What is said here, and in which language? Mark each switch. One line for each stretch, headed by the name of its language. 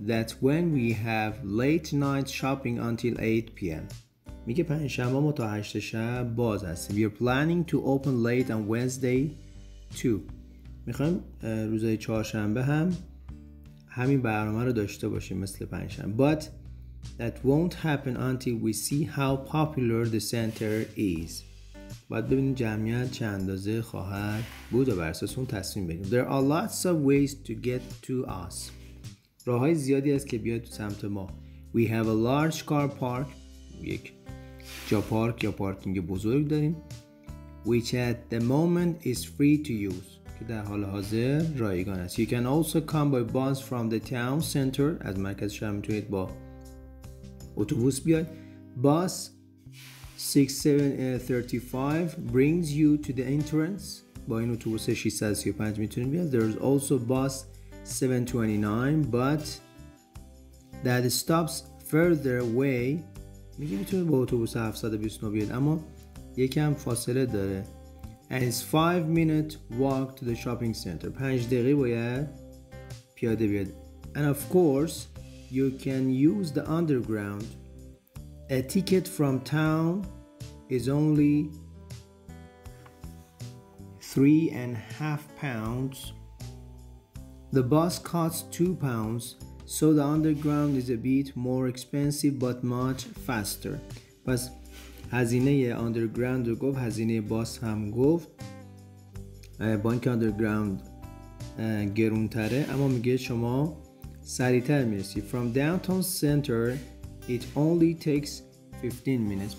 English: That's when we have late night shopping until 8 p.m.
Persian: میگه پنجشنبه ما تا 8 شب باز هستیم.
English: We are planning to open late on Wednesday too.
Persian: میخوایم روزای چهارشنبه هم همین برنامه رو داشته باشیم مثل پنجشنبه.
English: But that won't happen until we see how popular the center is.
Persian: باید ببینیم جمعیت چه اندازه خواهد بود و بر اساس اون تصمیم بگیریم.
English: There are lots of ways to get to us.
Persian: راه های زیادی هست که بیاید تو سمت ما.
English: We have a large car park.
Persian: یک جا پارک یا پارکینگ بزرگ داریم.
English: Which at the moment is free to use.
Persian: که در حال حاضر رایگان است.
English: You can also come by bus from the town center.
Persian: از مرکز شهر میتونید با اتوبوس بیاید.
English: Bus 6735 brings you to the entrance.
Persian: با این اتوبوس 635 میتونید بیاید.
English: There is also bus 729 but that stops further away
Persian: میگه میتونید با اتوبوس 729 بیاید، اما یکم فاصله داره.
English: And it's 5 minutes walk to the shopping center.
Persian: 5 دقیقه باید پیاده بیاد.
English: And of course, you can use the underground. A ticket from town is only 3.5 pounds. The bus costs 2 pounds, so the underground is a bit more expensive but much faster.
Persian: پس هزینه underground رو گفت، هزینه باس هم گفت، بانک underground گرونتره، اما میگه شما سریعتر میرسی.
English: From downtown center it only takes 15 minutes.